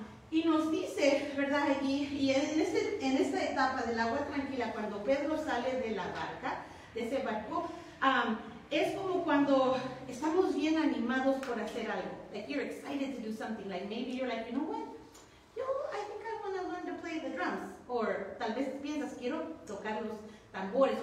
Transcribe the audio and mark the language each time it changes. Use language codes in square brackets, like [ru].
[es] Y nos dice, ¿verdad? Y en esta etapa del agua tranquila, cuando Pedro sale de la barca, de ese barco, es como cuando estamos bien animados por hacer algo. [en] Like you're excited to do something. Like maybe you're like, you know what? I think I want to learn to play the drums. [es] Or tal vez piensas, quiero tocar los tambores.